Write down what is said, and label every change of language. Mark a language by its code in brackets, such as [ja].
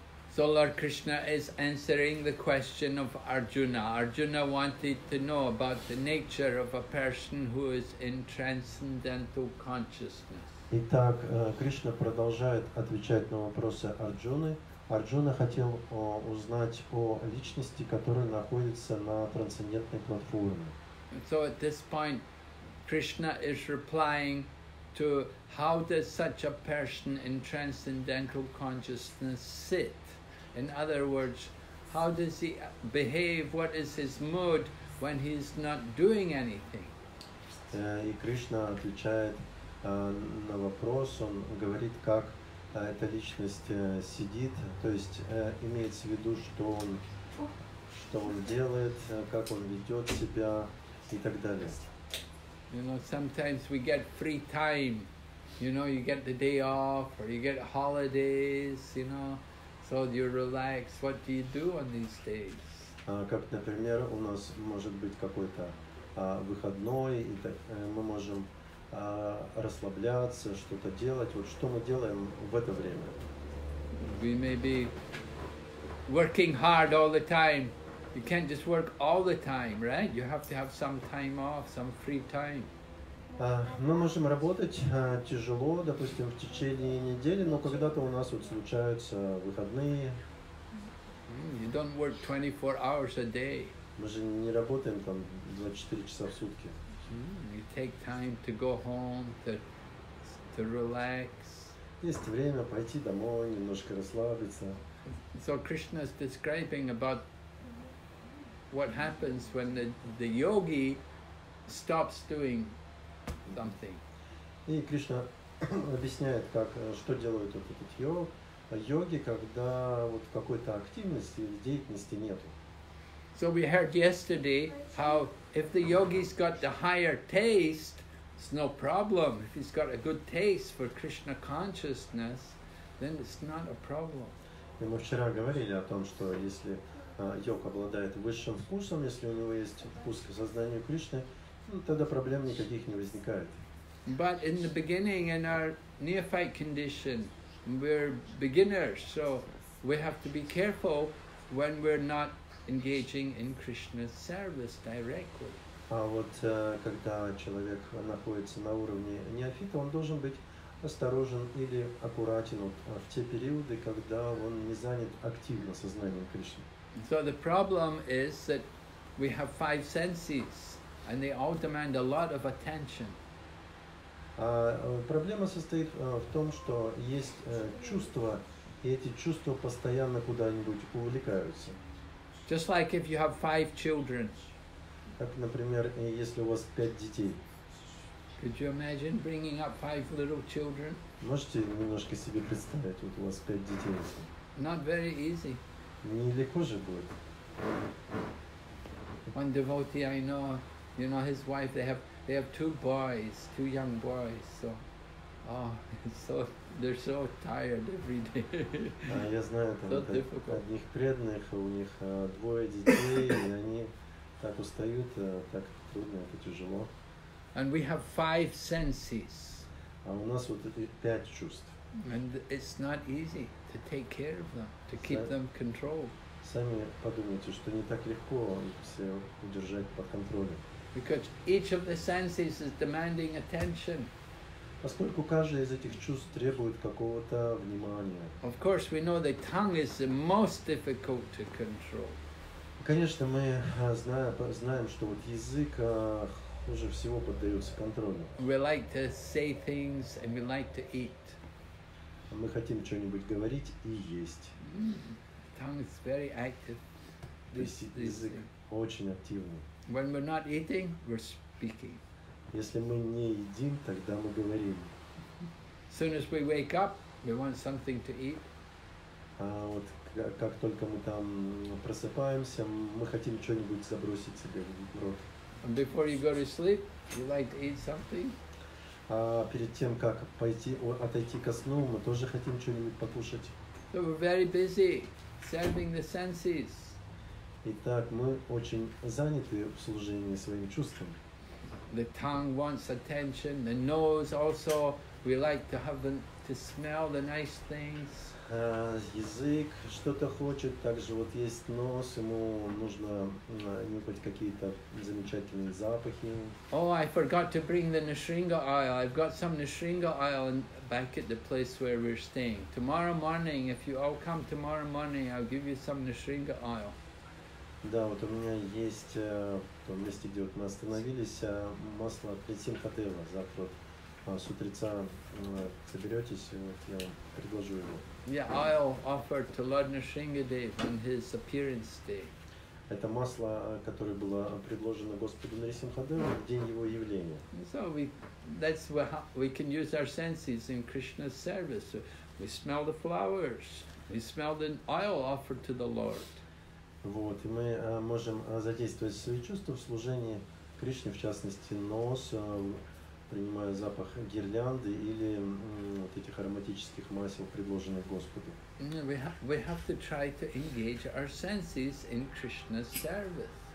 [en] So Lord Krishna is answering the question of Arjuna. Arjuna wanted to know about the nature of a person who is in transcendental consciousness. [ru] Итак, Кришна продолжает отвечать на вопросы Арджуны. Арджуна хотел узнать о личности, которая находится на трансцендентной платформе. [en] So at this point, Krishna is replying to how does such a person in transcendental consciousness sit? In other words, how does he behave? What is his mood when he is not doing anything? [ru] И Кришна отвечает на вопрос, он говорит, как эта личность сидит, то есть имеется в виду, что он делает, как он ведет себя и так далее. [en] You know, sometimes we get free time, you know, you get the day off, or you get holidays, you know, so you relax, what do you do on these days? [ru] Как, например, у нас может быть какой-то выходной, и мы можем расслабляться, что-то делать. Вот что мы делаем в это время? [en] We may be working hard all the time. You can't just work all the time, right? You have to have some time off, some free time. [ru] Мы можем работать тяжело, допустим, в течение недели, но когда-то у нас вот случаются выходные. [en] You don't work 24 hours a day. [ru] Мы же не работаем там 24 часа в сутки. [en] You take time to go home, to relax. [ru] Есть время пойти домой, немножко расслабиться. [en] So Krishna is describing about what happens when the yogi stops doing something. [ru] И Кришна объясняет, как что делает вот этот йоги, когда вот какой-то активности или деятельности нету. [en] So we heard yesterday how if the yogi's got the higher taste, it's no problem. If he's got a good taste for Krishna consciousness, then it's not a problem. [ru] И мы вчера говорили о том, что если йог обладает высшим вкусом, если у него есть вкус к сознанию Кришны, ну, тогда проблем никаких не возникает. [en] But in the beginning, in our neophyte condition, we're beginners, so we have to be careful when we're not engaging in Krishna's service directly. [ru] А вот когда человек находится на уровне неофита, он должен быть осторожен или аккуратен вот, в те периоды, когда он не занят активно сознанием Кришны. [en] So the problem is that we have five senses, and they all demand a lot of attention. [ru] Проблема состоит в том, что есть чувства, и эти чувства постоянно куда-нибудь увлекаются. [en] Just like if you have five children. [ru] Как, например, если у вас пять детей. [en] Could you imagine bringing up five little children? [ru] Можете немножко себе представить, вот у вас пять детей. [en] Not very easy. [ru] Нелегко же будет. [en] One devotee I know, you know, his wife, they have two boys, two young boys, so. Oh, so they're so tired every day. [ru] Я знаю, там одних преданных, у них двое детей, и они так устают, так трудно, это тяжело. [en] And we have five senses. [ru] А у нас вот эти пять чувств. [en] And it's not easy to take care of them, to keep them controlled. [ru] Сами подумайте, что не так легко их все удержать под контролем. [en] Because each of the senses is demanding attention. [ru] Поскольку каждое из этих чувств требует какого-то внимания. [en] Of course, we know the tongue is the most difficult to control. [ru] Конечно, мы знаем, что вот язык хуже всего поддается контролю. [en] We like to say things and we like to eat. [ru] Мы хотим что-нибудь говорить и есть. [en] The tongue is very active. [ru] То есть язык очень активный. [en] When we're not eating, we're speaking. [ru] Если мы не едим, тогда мы говорим. [en] As soon as we wake up, we want something to eat. [ru] А вот как только мы там просыпаемся, мы хотим что-нибудь забросить себе в рот. [en] And before you go to sleep, you like to eat something. [ru] А перед тем, как отойти ко сну, мы тоже хотим что-нибудь покушать. [en] So we're very busy serving the senses. [ru] Итак, мы очень заняты в служении своим чувствам. [en] The tongue wants attention, the nose also, we like to have to smell the nice things. [ru] Язык что-то хочет, также вот есть нос, ему нужно нюхать какие-то замечательные запахи. [en] Oh, I forgot to bring the nishringa oil. I've got some nishringa oil back at the place where we're staying. Tomorrow morning, if you all come tomorrow morning, I'll give you some nishringa oil. [ru] Да, вот у меня есть в том месте, где вот мы остановились, масло от Ретсинхотела. Завтра с утреца соберетесь, вот я вам предложу его. [en] Yeah, oil offered to Lord Nrisimhadeva on his appearance day. [ru] Это масло, которое было предложено Господу Нрисимхадеву в день его явления. [en] So we can use our senses in Krishna's service. We smell the flowers. We smell the oil offered to the Lord. [ru] Вот, и мы можем задействовать свои чувства в служении Кришне, в частности, нос, принимая запах гирлянды или вот этих ароматических масел, предложенных Господу. [en] We have to try to engage our senses in Krishna's service.